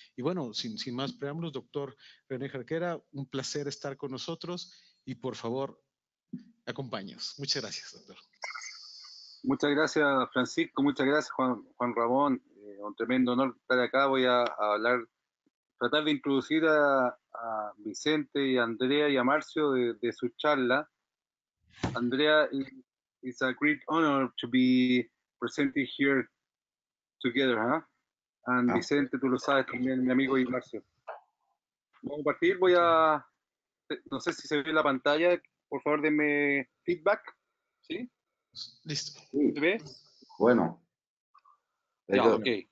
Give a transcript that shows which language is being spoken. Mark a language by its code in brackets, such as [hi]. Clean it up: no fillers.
[es] Y bueno, sin más preámbulos, doctor René Jarquera, un placer estar con nosotros y por favor, acompáñanos. Muchas gracias, doctor. Muchas gracias, Francisco. Muchas gracias, Juan Ramón. Un tremendo honor estar acá. Voy a hablar, tratar de introducir a Vicente y a Andrea y a Marcio de su charla. [en] Andrea, it's a great honor to be presenting here together, huh? And [es] Vicente, tú lo sabes también, mi amigo, y Marcio. Vamos a partir, no sé si se ve la pantalla, por favor denme feedback, ¿sí? Listo. ¿Se ve? Bueno. Ya, ok.